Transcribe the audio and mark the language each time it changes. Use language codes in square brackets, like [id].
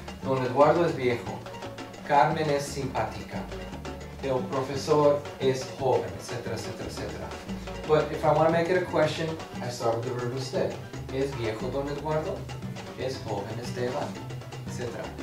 [es] Don Eduardo es viejo, Carmen es simpática, el profesor es joven, etc., etc., etc. [en] But if I want to make it a question, I start with the verb instead. [es] Es viejo Don Eduardo, es joven Esteban, etc.